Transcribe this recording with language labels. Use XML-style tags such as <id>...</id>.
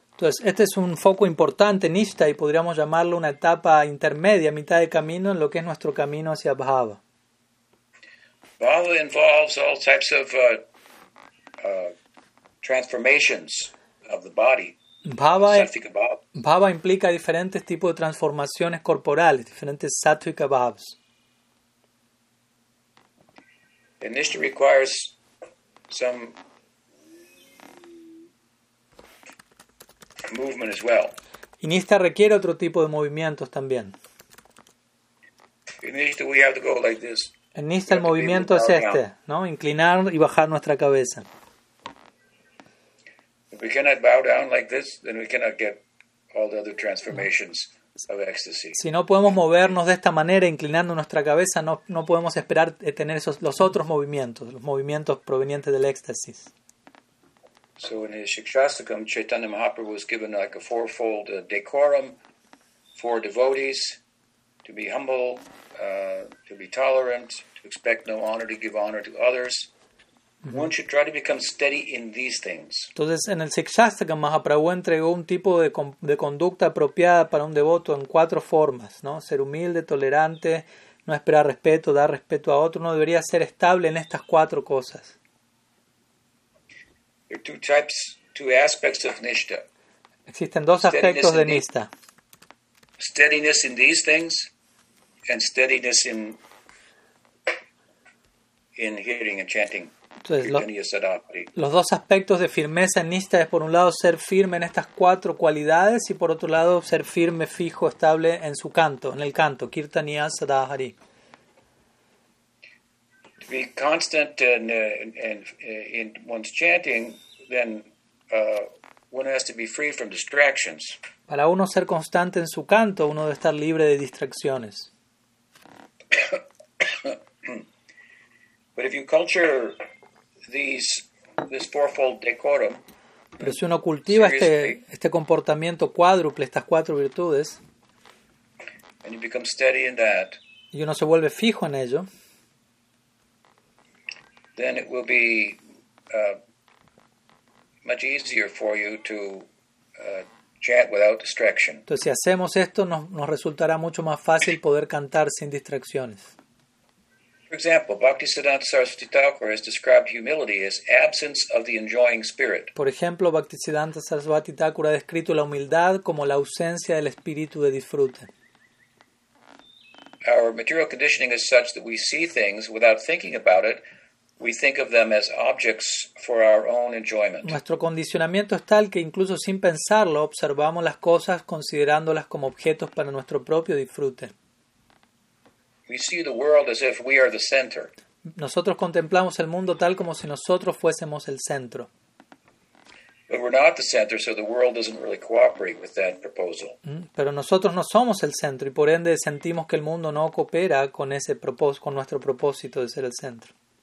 <es>Entonces, este es un foco importante, nishtha, y podríamos llamarlo una etapa intermedia, mitad de camino en lo que es nuestro camino hacia bhava.</es> <en>Bhava involves all types of transformations of the body.</en> <es>Bhava implica diferentes tipos de transformaciones corporales, diferentes sattvika bhavas.</es> <en>And nishtha requires some movement as well.</en> <es>Y nishtha requiere otro tipo de movimientos también.</es> <en>In nishtha we have to go like this.</en> <es>En nishtha el movimiento es este, ¿no? Inclinar y bajar nuestra cabeza.</es> <en>If we cannot bow down like this, then we cannot get all the other transformations of ecstasy.</en> <es>Si no podemos movernos de esta manera, inclinando nuestra cabeza, no podemos esperar tener esos los otros movimientos, los movimientos provenientes del éxtasis.</es> <en>So in his Shikshastakam, Chaitanya Mahaprabhu was given like a fourfold decorum for devotees to be humble, to be tolerant, to expect no honor, to give honor to others. One should try to become steady in these things.</en> <es>Entonces, en el Shikshastaka, Mahaprabhu entregó un tipo de conducta apropiada para un devoto en cuatro formas, ¿no? Ser humilde, tolerante, no esperar respeto, dar respeto a otro. Uno debería ser estable en estas cuatro cosas.</es> <en>There are two aspects of nishtha.</en> <es>Existen dos aspectos de nishtha.</es> <en>Steadiness in these things and steadiness in hearing and chanting.</en> <es>Entonces, los dos aspectos de firmeza en nishtha es, por un lado, ser firme en estas cuatro cualidades, y por otro lado, ser firme, fijo, estable en su canto, en el canto,</es> <sa>kirtaniya sadahari.</sa> <en>To be constant in one's chanting, then one has to be free from distractions.</en> <es>Para uno ser constante en su canto, uno debe estar libre de distracciones.</es> <en>But if you culture this fourfold decorum.</en> <es>Pero si uno cultiva este comportamiento cuádruple, estas cuatro virtudes,</es> <en>and you become steady in that,</en> <es>y uno se vuelve fijo en ello,</es> <en>then it will be much easier for you to chant without distraction.</en> <es>Entonces, si hacemos esto, nos resultará mucho más fácil poder cantar sin distracciones.</es> <en>For example, Bhaktisiddhanta Saraswati Thakur has described humility as absence of the enjoying spirit.</en> <es>Por ejemplo, Bhaktisiddhanta Saraswati Thakur ha descrito la humildad como la ausencia del espíritu de disfrute.</es> <en>Our material conditioning is such that we see things without thinking about it. We think of them as objects for our own enjoyment.</en> <es>Nuestro condicionamiento es tal que incluso sin pensarlo observamos las cosas considerándolas como objetos para nuestro propio disfrute.</es> <en>We see the world as if we are the center.</en> <es>Nosotros contemplamos el mundo tal como si nosotros fuésemos el centro.</es> <en>But we're not the center, so the world doesn't really cooperate with that proposal.</en> <es>Pero nosotros no somos el centro, y por ende sentimos que el mundo no coopera con ese propósito, con nuestro propósito de ser el centro.</es>